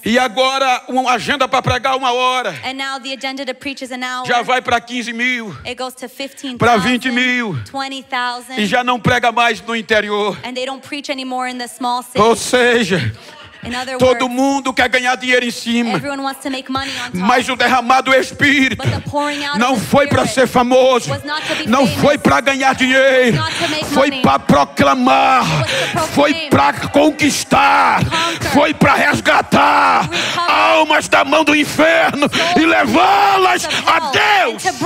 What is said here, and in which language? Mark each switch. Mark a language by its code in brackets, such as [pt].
[pt] E agora uma agenda para pregar uma hora. [en] And now the agenda to preach is an hour. [pt] Já vai para 15 mil. [en] It goes to 15,000. [pt] Para 20 mil. [en] 20,000. [pt] E já não prega mais no interior. [en] And they don't preach anymore in the small city. [pt] Ou seja. [en] Words, [pt] todo mundo quer ganhar dinheiro em cima. [en] Everyone wants to make money on top. [pt] Mas o derramado do Espírito não foi para ser famoso. Não foi para ganhar dinheiro. Foi para proclamar. Foi para conquistar. Foi para resgatar almas da mão do inferno e levá-las a Deus.